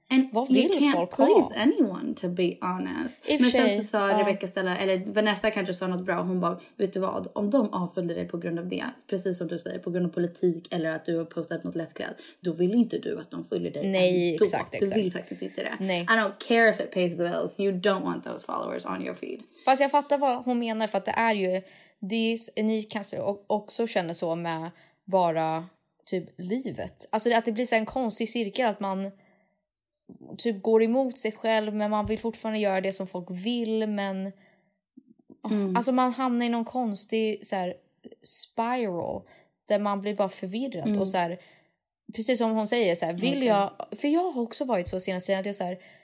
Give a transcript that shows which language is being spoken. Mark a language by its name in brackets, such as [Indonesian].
[English] And [Swedish] vad vill folk ha? [English] You can't please anyone, to be honest. [Swedish] Sen så sa Rebecca Stella, eller Vanessa kanske sa något bra. Hon bara, vet du vad? Om de avföljde dig på grund av det, precis som du säger, på grund av politik eller att du har postat något lättklädd, då vill inte du att de följer dig. Nej, exakt. Du vill faktiskt inte det. Nej. [English] I don't care if it pays the bills. You don't want those followers on your feed. [Swedish] Fast jag fattar vad hon menar, för att det är ju... ni kanske också känner så med bara typ livet. Alltså att det blir så en konstig cirkel att man... typ går emot sig själv, men man vill fortfarande göra det som folk vill, men alltså man hamnar i någon konstig så här spiral där man blir bara förvirrad och så här, precis som hon säger så här, vill jag, för jag har också varit så senaste tiden att jag så här,